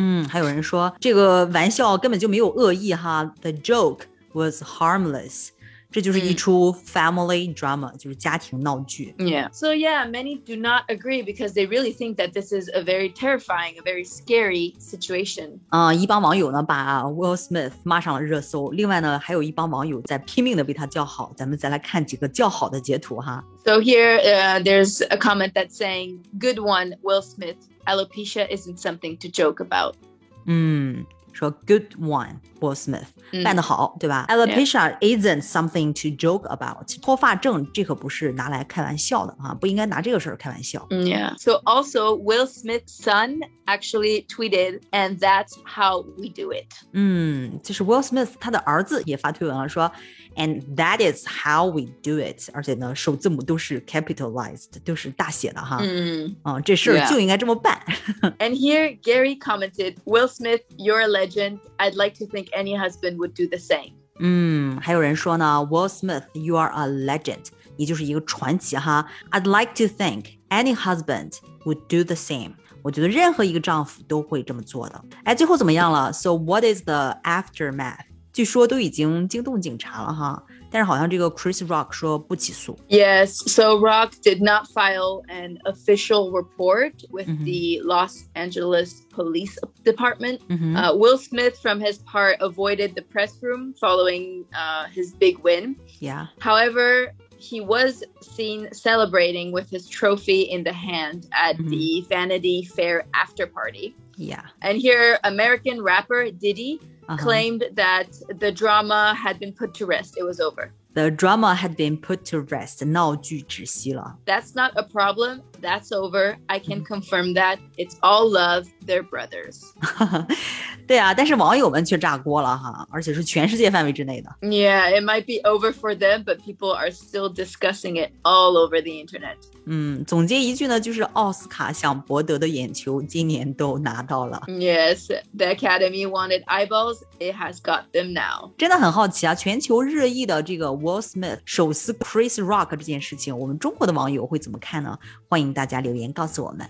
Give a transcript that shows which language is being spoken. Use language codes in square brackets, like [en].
[zh] 还有人说这个玩笑根本就没有恶意哈。 [en] The joke was harmless. [zh] 这就是一出 family drama、嗯、就是家庭闹剧。 [en] Yeah. So yeah, many do not agree because they really think that this is a very terrifying, a very scary situation. [zh] 一帮网友呢把 Will Smith 骂上了热搜，另外呢还有一帮网友在拼命的为他叫好，咱们再来看几个叫好的截图哈。 [en] So here、there's a comment that's saying, good one, Will Smith, alopecia isn't something to joke about. [zh] 说 [en] good one, [zh] Will Smith, 办得好、对吧 Alopecia、 [en] yeah. isn't something to joke about. [zh] 脱发症这可不是拿来开玩笑的、啊、不应该拿这个事儿开玩笑。 [en] Yeah. So also, Will Smith's son actually tweeted, and that's how we do it. [zh] 就是 Will Smith 他的儿子也发推文了，说 [en] And that is how we do it. [zh] 而且呢，首字母都是 capitalized, 都是大写的哈。这事就应该这么办。 [en] And here, Gary commented, Will Smith, you're a legend. I'd like to think any husband would do the same. [zh] 还有人说呢， [en] Will Smith, you are a legend. [zh] 你就是一个传奇哈。 [en] I'd like to think any husband would do the same. [zh] 我觉得任何一个丈夫都会这么做的。哎，最后怎么样了？ [en] So what is the aftermath? [zh] 据说都已经惊动警察了哈，但是好像这个 Chris Rock 说不起诉。 [en] Yes, so Rock did not file an official report with the Los Angeles Police Department. Will Smith, from his part, avoided the press room following his big win. Yeah. However, he was seen celebrating with his trophy in the hand at the Vanity Fair after party. Yeah. And here, American rapper Diddy,claimed that the drama had been put to rest. It was over. The drama had been put to rest. [zh] 闹剧止息了。 [en] That's not a problem. That's over. I can confirm that. It's all love. They're brothers. [zh] 对啊，但是网友们却炸锅了哈，而且是全世界范围之内的。 [en] Yeah, it might be over for them, but people are still discussing it all over the internet. [zh] 总结一句呢，就是奥斯卡想博得的眼球今年都拿到了。 [en] Yes, the Academy wanted eyeballs. It has got them now. [zh] 真的很好奇啊，全球热议的这个Will Smith 手撕 Chris Rock 这件事情，我们中国的网友会怎么看呢？欢迎大家留言告诉我们。